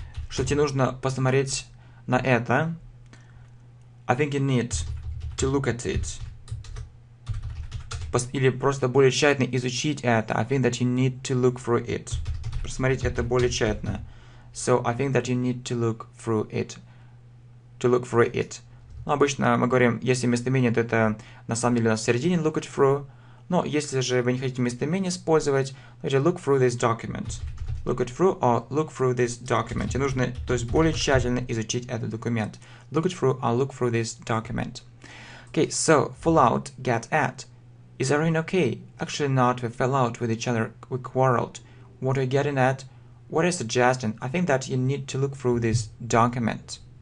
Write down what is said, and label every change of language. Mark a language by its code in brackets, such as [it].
[ru] Что тебе нужно посмотреть на это? [en] I think you need to look at it. [ru] Или просто более тщательно изучить это. [en] I think that you need to look through it. [ru] Посмотреть это более тщательно. [en] So I think that you need to look through it. To look through it. [ru] Ну, обычно мы говорим, если местоимение, то это на самом деле у нас в середине [en] look it through. [ru] Но если же вы не хотите местоимение использовать, значит [en] look through this document. Look it through or look through this document. [ru] И нужно, то есть, более тщательно изучить этот документ. [en] Look it through or look through this document. Okay, so, fall out, get at. Is everything okay? Actually not, we fell out with each other, we quarreled. What are you getting at? What are you suggesting? I think that you need to look through this document.